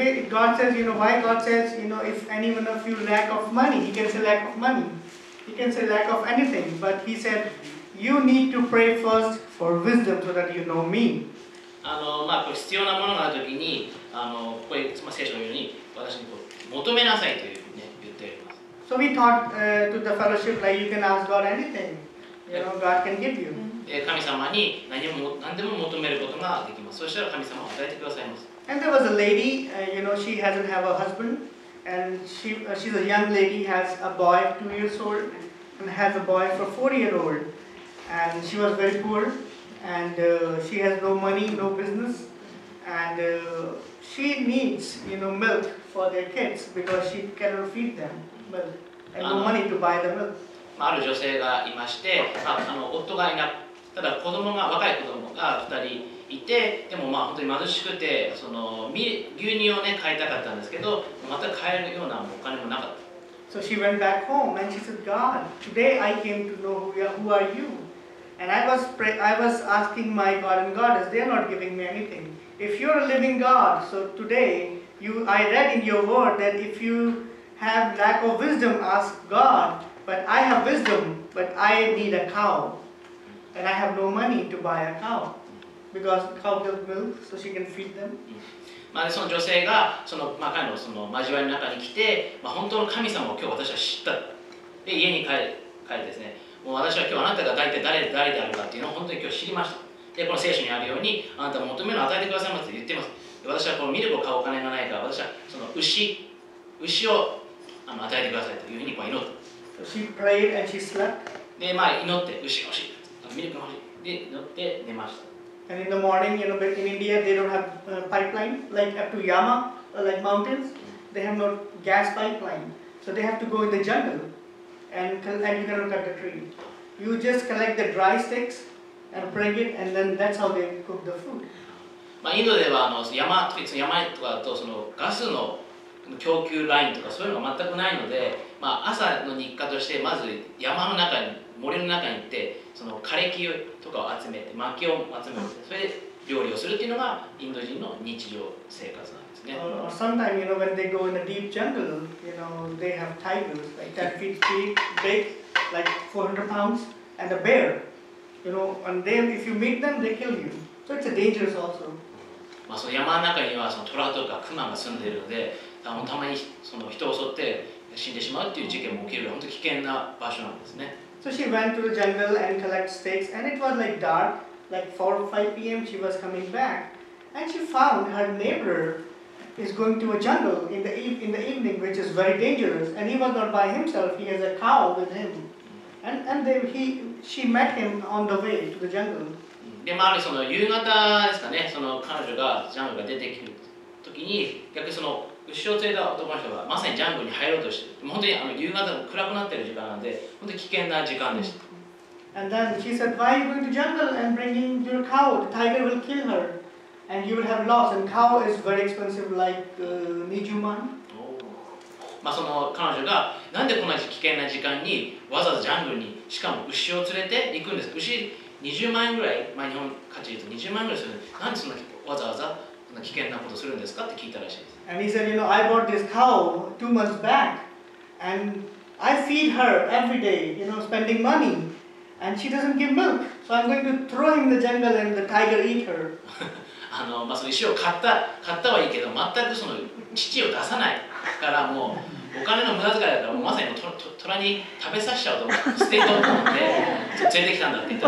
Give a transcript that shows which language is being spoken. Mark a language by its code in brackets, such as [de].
[en] God says, you know, why God says, you know, if any one of you lack of money, he can say lack of money. He can say lack of anything. But he said, you need to pray first for wisdom so that you know me. [ja] まあ、必要なものがあるときに、これ、まあ、聖書のように私にこう求めなさいというふうに、ね、言っています。 [en] So we taught to the fellowship like you can ask God anything. You know, God can give you. [ja] 神様に何でも求めることができます。そしたら神様は与えてくださいます。 [en] And there was a lady, you know, she hasn't have a husband. And she's a young lady, has a boy 2 years old. And has a boy for 4 years old. And she was very poor. And she has no money, no business. And she needs, you know, milk. For their kids, because she cannot feed them, but and no money to buy them. [ja] まあ、ある女性がいまして、夫がいな、ただ子供が若い子供が二人いて、でもまあ本当に貧しくて、その牛乳をね買いたかったんですけど、また買えるようなお金もなかった。 [en] So she went back home and she said, God, today I came to know who are you, and I was asking my God and Goddess, they are not giving me anything. If you are a living God, so today. I read in your word that if you have lack of wisdom, ask God. But I have wisdom, but I need a cow. And I have no money to buy a cow. because cow gives milk, so she can feed them. [ja] まあ、その女性がその、まあ、彼のその交わりの中に来て、まあ、本当の神様を今日私は知った。で、家に帰るですね。もう私は今日あなたが大体誰であるかっていうのを本当に今日知りました。で、この聖書にあるように、あなたも求めるのを与えてくださいませと言っています。で、私はこのミルクを買うお金がないから、私はその牛をあの与えてくださいというふうにこう祈った。 [en] So、she prayed and she slept. [ja] で、まあ、祈って、牛が欲しい。ミルクが欲しい。で、祈って寝ました。 [en] And in the morning, you know, in India, they don't have pipeline like up to Yama, like mountains. They have no gas pipeline. So they have to go in the jungle and you cannot cut the tree. You just collect the dry sticks and bring it, and then that's how they cook the food. [ja] まあ、インドでは、あの、山とかとそのガスの供給ラインとかそういうのが全くないので、まあ、朝の日課として、まず山の中に、森の中に行って、その枯れ木とかを集めて、薪を集めて、それで料理をするっていうのがインド人の日常生活なんですね。 [en] Sometimes, you know, when they go in the deep jungle, you know, they have tigers, like 10 feet deep, big, like 400 pounds, and a bear. You know, and then if you meet them, they kill you. So it's a dangerous also. [ja] まあ、その山の中にはその虎とか熊が住んでいるので、たまにその人を襲って死んでしまうっていう事件も起きる、本当に危険な場所なんですね。 [en] So she went to the jungle and collected sticks, and it was like dark, like 4 or 5 p.m. she was coming back, and she found her neighbor is going to a jungle in the evening, which is very dangerous, and he was not by himself, he has a cow with him. And then she met him on the way to the jungle. [ja] で、まあ、その夕方ですかね、その彼女がジャングルが出てくる時に、逆にその牛を連れた男の人がまさにジャングルに入ろうとして、本当にあの夕方暗くなっている時間なので本当に危険な時間でした。 [en] And then she said, why are you going to jungle and bringing your cow? The tiger will kill her and you will have loss. And cow is very expensive, like [ja] 20万。まあ、その彼女がなんでこんな危険な時間にわざわざジャングルに、しかも牛を連れて行くんです。牛20万円ぐらい、まあ、日本価値で言うと20万円ぐらいするんです。なんでそんなわざわざ危険なことするんですかって聞いたらしいです。 [en] And he said, you know, I bought this cow 2 months back, and I feed her every day, you know, spending money, and she doesn't give milk. So I'm going to throw him in the jungle, and the tiger eat her. [ja] あの、まあ、その牛を買ったはいいけど、全くその乳を出さないからもうお金の無駄遣いだから、もうまさにもう虎に食べさせちゃうと思って、捨てようと思って連れてきたんだって言った